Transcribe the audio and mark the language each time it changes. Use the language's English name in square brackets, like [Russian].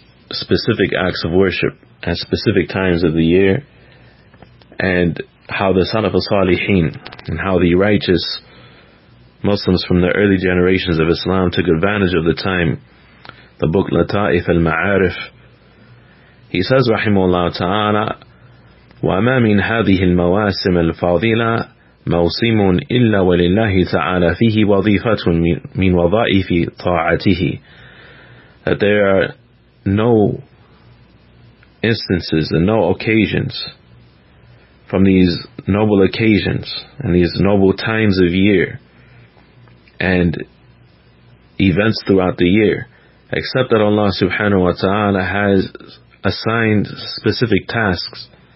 [English] specific acts of worship at specific times of the year, and how the Salaf al-Salihin and how the righteous Muslims from the early generations of Islam took advantage of the time the book Lata'if al-Ma'arif. He says, Rahimahullah ta'ala, [Arabic] وَمَا مِنْ هَذِهِ الْمَوَاسِمِ الْفَاضِلَةِ مَوْسِمٌ إِلَّا وَلِلَّهِ تَعَالَى فِيهِ وَظِيفَةٌ مِنْ وَظَائِفِ طَاعَتِهِ. [English] That there are no instances and no occasions from these noble occasions and these noble times of year and events throughout the year, except that Allah subhanahu wa ta'ala has assigned specific tasks